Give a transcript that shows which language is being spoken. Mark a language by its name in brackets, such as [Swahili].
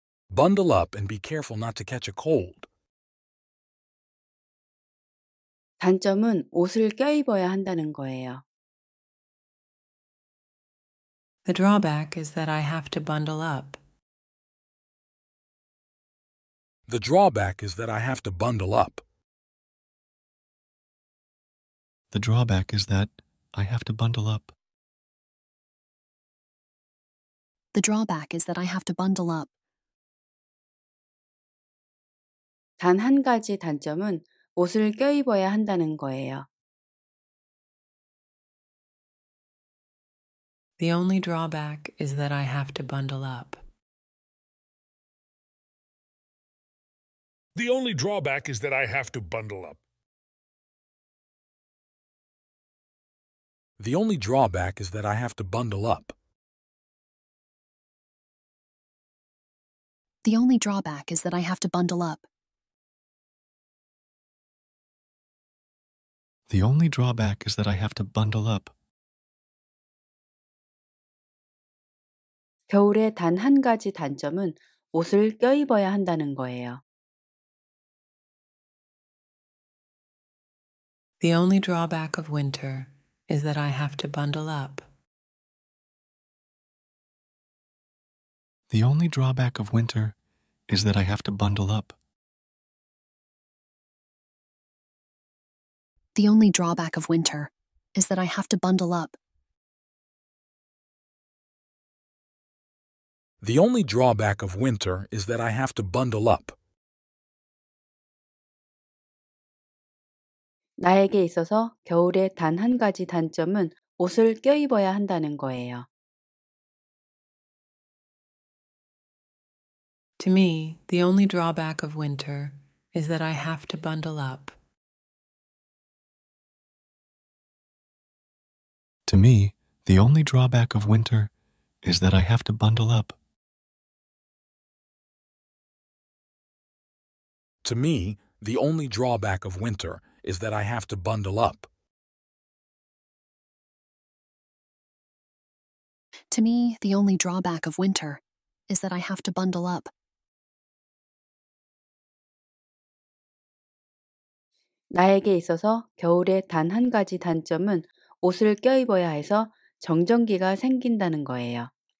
[English] Bundle up and be careful not to catch a cold. [Korean] 단점은 옷을 껴입어야 한다는 거예요. [English] The drawback is that I have to bundle up. The drawback is that I have to bundle up. The drawback is that I have to bundle up. The drawback is that I have to bundle up. [Korean] 단 한 가지 단점은 옷을 껴입어야 한다는 거예요. [English] The only drawback is that I have to bundle up. The only drawback is that I have to bundle up. The only drawback is that I have to bundle up. The only drawback is that I have to bundle up. The only drawback is that I have to bundle up. [Korean] 겨울에 단 한 가지 단점은 옷을 껴입어야 한다는 거예요. [English] The only drawback of winter is that I have to bundle up. The only drawback of winter is that I have to bundle up. The only drawback of winter is that I have to bundle up. The only drawback of winter is that I have to bundle up. [Korean] 나에게 있어서 겨울의 단 한 가지 단점은 옷을 껴입어야 한다는 거예요. [English] To me, the only drawback of winter is that I have to bundle up. To me, the only drawback of winter is that I have to bundle up. To me, the only drawback of winter is that I have to bundle up. To me, the only drawback of winter is that I have to bundle up. [Korean] 나에게 있어서 겨울의 단 한 가지 단점은 옷을 껴입어야 해서 정전기가 생긴다는 거예요.